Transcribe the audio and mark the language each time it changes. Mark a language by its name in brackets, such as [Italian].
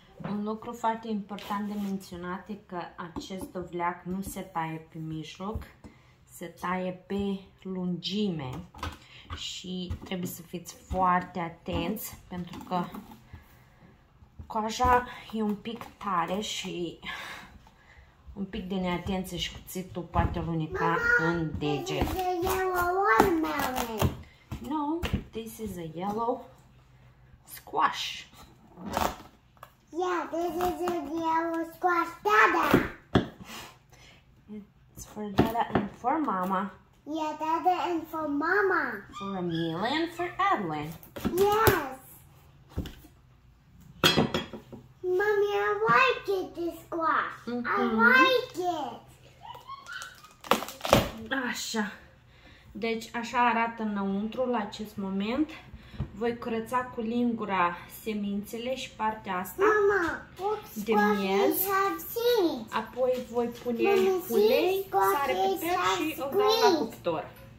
[Romanian] Un lucru foarte important de menționat e că acest dovleac nu se taie pe mijloc, se taie pe lungime și trebuie să fiți foarte atenți pentru că coaja e un pic tare și un pic de neatenție și cuțitul poate alunica în deget. [English] This is a yellow one, Mommy. No, this is a yellow squash. Yeah, this is a yellow squash, Dada. It's for Dada and for Mama. Yeah, Dada and for Mama. For Amelia and for Edwin. Yes. Mommy, I like it, this squash. Mm-hmm. I like it. [Romanian] Așa. Deci așa arată înăuntru la acest moment. Voi curăța cu lingura semințele și partea asta, [English] Mama, oops, [Romanian] de miez, apoi voi pune ulei, sare, piper și o dau la cuptor.